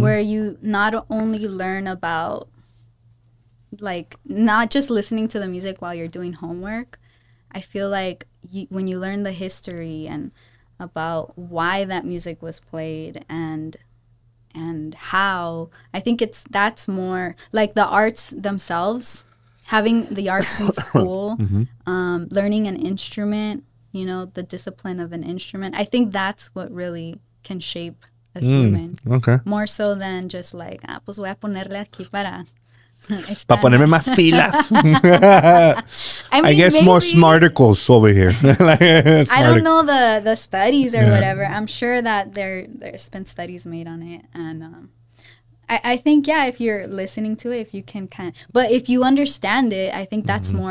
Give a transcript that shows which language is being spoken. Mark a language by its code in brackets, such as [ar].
[en] where you not only learn about like not just listening to the music while you're doing homework, I feel like when you learn the history and about why that music was played and how, I think that's more like the arts themselves, having the arts in school, mm-hmm. Learning an instrument, you know, the discipline of an instrument. I think that's what really can shape a human. Okay. More so than just like, [es] pues voy a ponerle aquí para para ponerme más pilas. [en] I guess maybe, more smarticles over here. I don't know the studies or yeah. whatever. I'm sure that there's been studies made on it. And I think, yeah, if you're listening to it, if you can kind of, but if you understand it, I think that's mm-hmm.